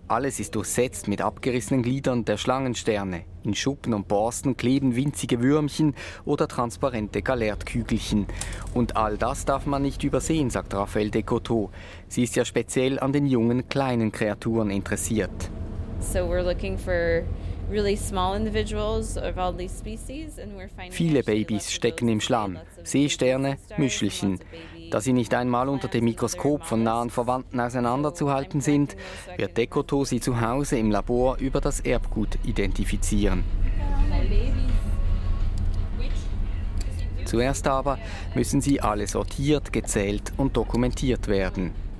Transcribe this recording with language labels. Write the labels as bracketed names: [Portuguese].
[German] Alles ist durchsetzt mit abgerissenen Gliedern der Schlangensterne. In Schuppen und Borsten kleben winzige Würmchen oder transparente Galertkügelchen. Und all das darf man nicht übersehen, sagt Raphael Decoteau. Sie ist ja speziell an den jungen, kleinen Kreaturen interessiert. [English] So we're looking for really small individuals of all these species, and we're finding [German] viele Babys stecken im Schlamm. Seesterne, Müschelchen. Da sie nicht einmal unter dem Mikroskop von nahen Verwandten auseinanderzuhalten sind, wird Decoteau sie zu Hause im Labor über das Erbgut identifizieren. Zuerst aber müssen sie alle sortiert, gezählt und dokumentiert werden.